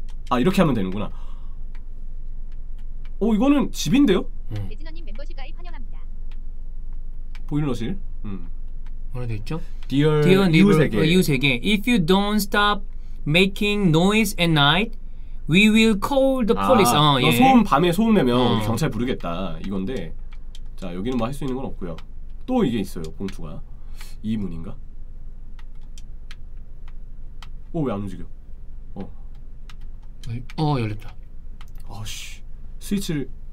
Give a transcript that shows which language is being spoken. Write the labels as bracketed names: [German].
[Korean] 아 이렇게 하면 되는구나. 오 이거는 집인데요? 레즈너님 멤버십 가입 환영합니다. 보일러실. 뭐라 돼있죠? Dear 이웃에게. 이웃에게 [English] If you don't stop making noise at night, we will call the police. [Korean] 아, 너 소음 밤에 소음 내면 경찰 부르겠다 이건데. 자 여기는 뭐 할 수 있는 건 없고요. 또 이게 있어요. 봉투가 이 문인가? 오 왜 안 움직여? 열렸다. 아씨 스위치를.